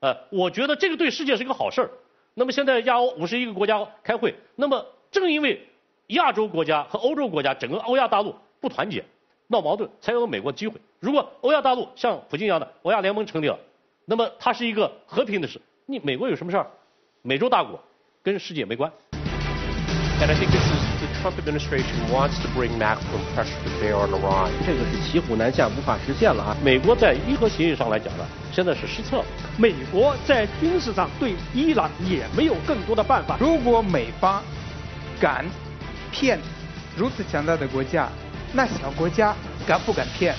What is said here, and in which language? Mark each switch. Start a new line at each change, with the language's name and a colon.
Chinese: 我觉得这个对世界是一个好事儿。那么现在亚欧51个国家开会，那么正因为亚洲国家和欧洲国家整个欧亚大陆不团结闹矛盾，才有了美国机会。如果欧亚大陆像普京一样的欧亚联盟成立了，那么它是一个和平的事，你美国有什么事儿？美洲大国跟世界没关。
English: And I think this is the Trump administration wants to bring maximum pressure to bear on Iran.
Chinese: 这个是骑虎难下，无法实现了啊！美国在伊核协议上来讲呢，现在是失策了。美国在军事上对伊朗也没有更多的办法。如果美方敢骗如此强大的国家，那小国家敢不敢骗？